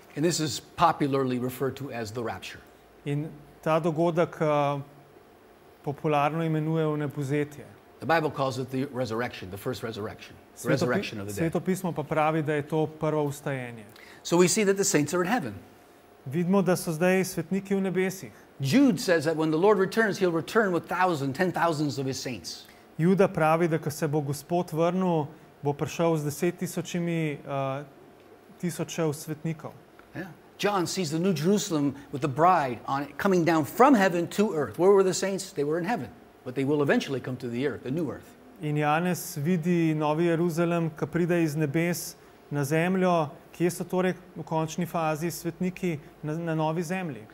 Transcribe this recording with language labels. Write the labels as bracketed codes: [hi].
[en] And this is popularly referred to as the rapture. [sl] In ta dogodek popularno imenujejo nepozetje. [en] The Bible calls it the resurrection, the first resurrection, resurrection of the dead. [sl] Sveto pismo pa pravi, da je to prvo vstajenje. [en] So we see that the saints are in heaven. [sl] Vidimo, da so zdaj svetniki v nebesih. [en] Jude says that when the Lord returns, he'll return with thousands, ten thousands of his saints. [sl] Juda pravi, da ko se bo Gospod vrnil, bo prišel z 10,000 tisočev svetnikov. [en] Yeah. John sees the new Jerusalem with the bride on it coming down from heaven to earth. Where were the saints? They were in heaven. But they will eventually come to the earth, the new earth. [sl] In Janez vidi novi Jeruzalem, ko pride iz nebes na zemljo. Kje so torej v končni fazi svetniki na novi zemlji?